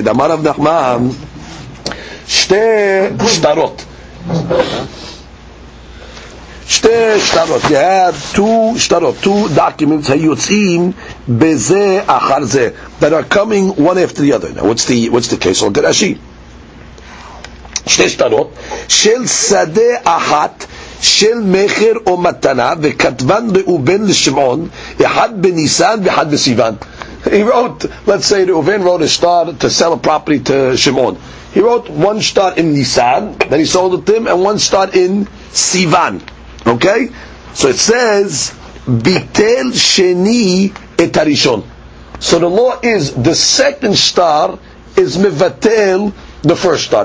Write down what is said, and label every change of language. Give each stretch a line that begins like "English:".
Hebrew: Damar Rav Nachman, shte shtarot. שתי שטרות.
English: You have two שטרות, two documents
Hebrew: היוצאים בזה אחר זה,
English: that are coming one after the other. Now, what's the case of גרשי?
Hebrew: שתי שטרות של שדה אחת של מחר או מתנה, וכתבן ראובן לשמעון, אחד בניסן ואחד בסיוון.
English: He wrote, let's say Reuven wrote a star to sell a property to Shimon. He wrote one star in Nisan, then he sold it to him, and one star in Sivan. Okay? So it says,
Hebrew: Bitel Sheni Etarishon.
English: So the law is, the second star is Mevatel, the first star.